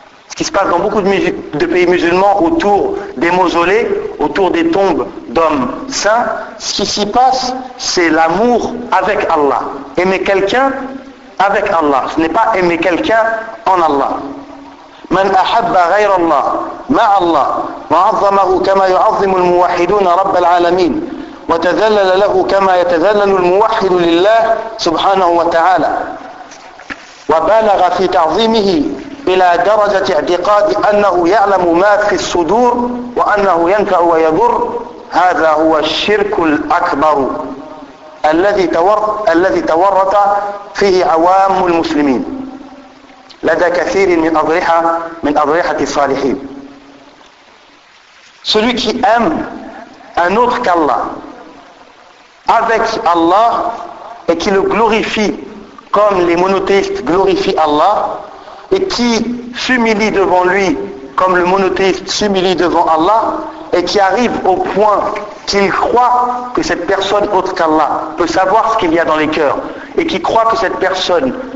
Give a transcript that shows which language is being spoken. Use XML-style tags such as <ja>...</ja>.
<fr>Ce qui se passe dans beaucoup de pays musulmans autour des mausolées, autour des tombes d'hommes saints, ce qui s'y passe, c'est l'amour avec Allah. Aimer quelqu'un avec Allah. Ce n'est pas aimer quelqu'un en Allah.</fr> <ar>من أحب غير الله مع الله وعظمه كما يعظم الموحدون رب العالمين وتذلل له كما يتذلل الموحد لله سبحانه وتعالى وبالغ في تعظيمه إلى درجة اعتقاد أنه يعلم ما في الصدور وأنه ينفع ويضر هذا هو الشرك الأكبر الذي تورط فيه عوام المسلمين. لدى كثير من أضرحة من أضرحة الصالحين.</ar> <fr>Celui qui aime un autre qu'Allah avec Allah et qui le glorifie comme les monothéistes glorifient Allah et qui s'humilie devant lui comme le monothéiste s'humilie devant Allah et qui arrive au point qu'il croit que cette personne autre qu'Allah peut savoir ce qu'il y a dans les cœurs et qui croit que cette personne</fr>